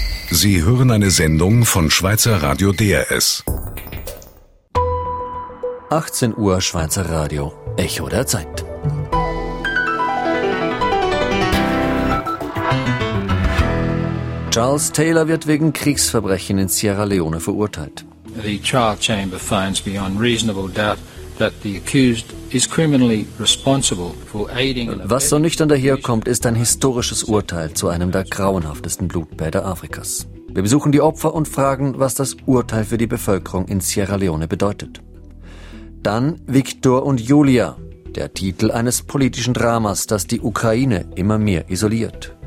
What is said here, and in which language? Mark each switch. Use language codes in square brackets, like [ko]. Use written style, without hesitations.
[de] Sie hören eine Sendung von Schweizer Radio DRS. 18 Uhr Schweizer Radio, Echo der Zeit. Charles Taylor wird wegen Kriegsverbrechen in Sierra Leone verurteilt. [en] The trial chamber finds beyond reasonable doubt that the accused is criminally responsible for aiding. [de] Was so nüchtern daherkommt, ist ein historisches Urteil zu einem der grauenhaftesten Blutbäder Afrikas. Wir besuchen die Opfer und fragen, was das Urteil für die Bevölkerung in Sierra Leone bedeutet. Dann Victor und Julia, der Titel eines politischen Dramas, das die Ukraine immer mehr isoliert.